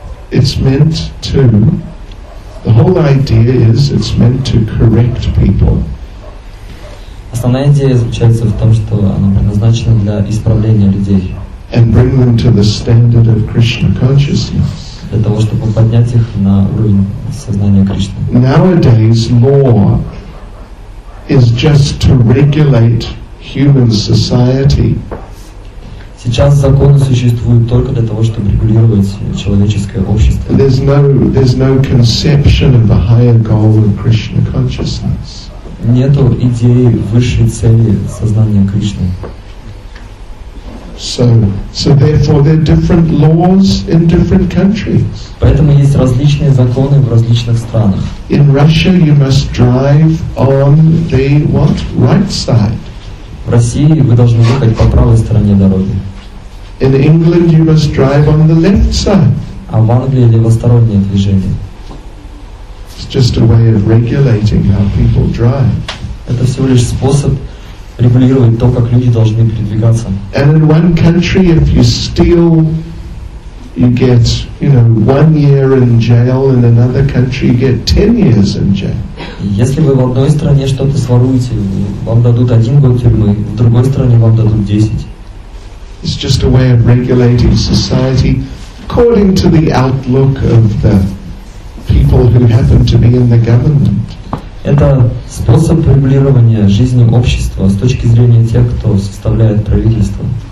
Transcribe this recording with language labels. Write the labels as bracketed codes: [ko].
[en] It's meant to, the whole idea is it's meant to correct people. [ru] Основная идея заключается в том, что она предназначена для исправления людей. [en] And bring them to the standard of Krishna consciousness. [ru] Для того, чтобы поднять их на уровень сознания Кришны. [en] Nowadays, law is just to regulate human society. [ru] Сейчас законы существуют только для того, чтобы регулировать человеческое общество. [en] There's no conception of the higher goal of Krishna consciousness. [ru] Нету идеи высшей цели сознания Кришны. [en] So therefore there are different laws in different countries. [ru] Поэтому есть различные законы в различных странах. [en] In Russia you must drive on the what? Right side. [ru] В России вы должны ехать по правой стороне дороги. [en] In England you must drive on the left side. [ru] А в Англии левостороннее движение. [en] It's just a way of regulating how people drive. [ru] Это всего лишь способ регулировать то, как люди должны передвигаться. [en] And in one country, if you steal, you get, you know, 1 year in jail. In another country, you get 10 years in jail. [ru] Если вы в одной стране что-то своруете, вам дадут 1 год тюрьмы, в другой стране вам дадут 10. [en] It's just a way of regulating society according to the outlook of the people who happen to be in the government. [ru] Это способ регулирования жизни общества с точки зрения тех, кто составляет правительство.